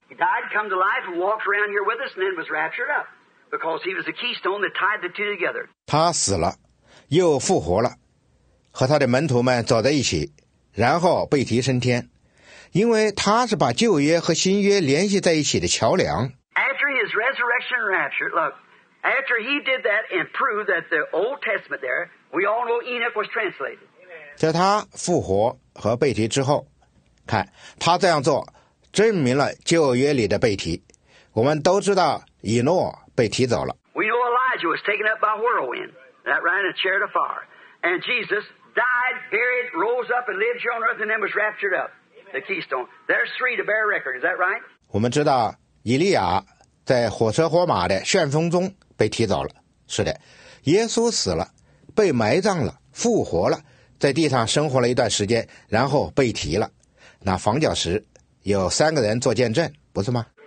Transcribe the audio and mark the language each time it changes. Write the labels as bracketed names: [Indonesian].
[English] He died, come to life, and walked around here with us, and then was raptured up. Because he was the keystone that tied the two together. [Chinese] 他死了，又复活了，和他的门徒们走在一起，然后被提升天，因为他是把旧约和新约联系在一起的桥梁。 [English] After his resurrection and rapture, look, after he did that and proved that the Old Testament there, we all know Enoch was translated. [Chinese] 在他复活和被提之后，看他这样做，证明了旧约里的被提。我们都知道以诺。被提走了。 [English] We know Elijah was taken up by whirlwind, that ran a chariot of fire, and Jesus died, buried, rose up, and lived here on earth, and then was raptured up. The keystone. There's three to bear record. Is that right? [Chinese] 我们知道以利亚在火车火马的旋风中被提走了。是的，耶稣死了，被埋葬了，复活了，在地上生活了一段时间，然后被提了。那房角石有三个人做见证，不是吗？